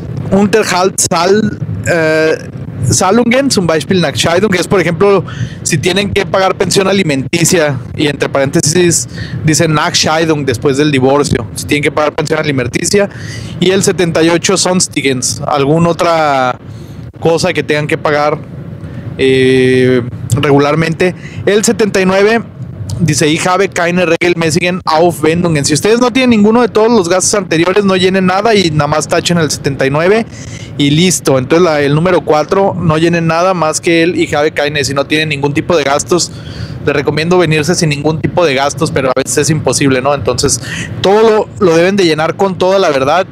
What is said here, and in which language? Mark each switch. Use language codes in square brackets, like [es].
[de] Unterhaltssaldo, Zahlungen zum Beispiel Nachscheidung, [es] que es, por ejemplo, si tienen que pagar pensión alimenticia, y entre paréntesis dice Nachscheidung después del divorcio, si tienen que pagar pensión alimenticia, y el 78 Sonstigens, alguna otra cosa que tengan que pagar regularmente. El 79 dice [de] Ich habe keine regelmäßigen Aufwendungen. [es] Si ustedes no tienen ninguno de todos los gastos anteriores, no llenen nada y nada más tachen el 79 y listo. Entonces el número 4, no llenen nada más que el [de] Ich habe keine. [es] Si no tienen ningún tipo de gastos, les recomiendo venirse sin ningún tipo de gastos, pero a veces es imposible, ¿no? Entonces todo lo deben de llenar con toda la verdad.